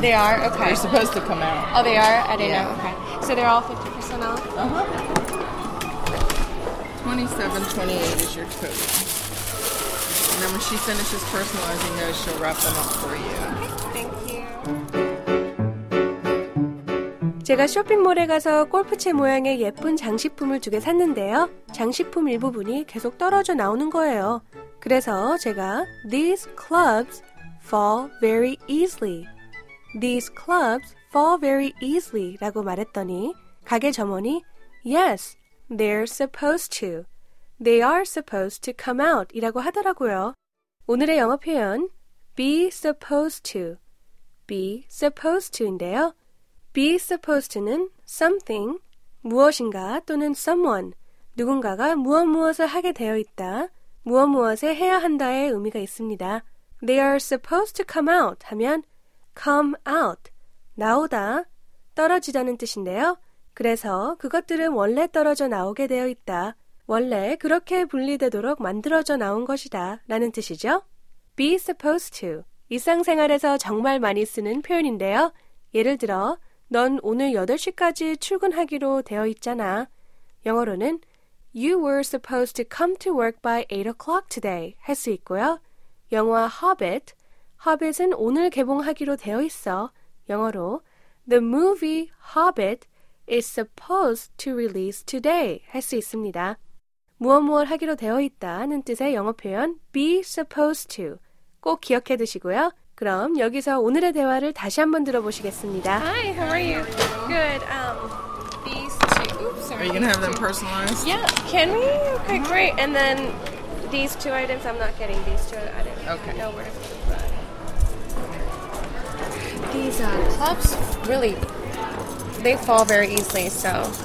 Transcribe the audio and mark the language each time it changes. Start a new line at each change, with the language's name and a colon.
English: They are? Okay. They're supposed to come out. Oh, they are? I didn't know. Okay. So they're all 50% off? $27.28 is your total. And then when she finishes personalizing those, she'll wrap them up for you. Okay.
Korean: 제가 쇼핑몰에 가서 골프채 모양의 예쁜 장식품을 두 개 샀는데요. 장식품 일부분이 계속 떨어져 나오는 거예요. 그래서 제가
English: These clubs fall very easily. These clubs fall very easily
Korean: 라고 말했더니 가게 점원이
English: Yes, they're supposed to. They are supposed to come out
Korean: 이라고 하더라고요. 오늘의 영어 표현
English: Be supposed to. Be supposed to인데요. Be supposed to
Korean: 는 something, 무엇인가 또는 someone, 누군가가 무엇무엇을 하게 되어 있다, 무엇무엇에 해야 한다의 의미가 있습니다.
English: They are supposed to come out
Korean: 하면
English: come out,
Korean: 나오다, 떨어지다는 뜻인데요. 그래서 그것들은 원래 떨어져 나오게 되어 있다, 원래 그렇게 분리되도록 만들어져 나온 것이다 라는 뜻이죠. Be supposed to, 일상생활에서 정말 많이 쓰는 표현인데요. 예를 들어, 넌 오늘 8시까지 출근하기로 되어 있잖아.
English: 영어로는 You were supposed to come to work by 8 o'clock today
Korean: 할 수 있고요. 영화 Hobbit, Hobbit은 오늘 개봉하기로 되어 있어.
English: 영어로 The movie Hobbit is supposed to release today
Korean: 할 수 있습니다. 무엇무엇 하기로 되어 있다는 뜻의 영어 표현
English: Be supposed to
Korean: 꼭 기억해 두시고요. 그럼 여기서 오늘의 대화를 다시 한번 들어보시겠습니다.
English: Hi, how are you? Good. These two. Oops, sorry. Are you going to have them personalized? Yeah, can we? Okay, mm-hmm. great. And then these two items, I'm not getting these two items. Okay. No worries. These clubs, really, they fall very easily, so.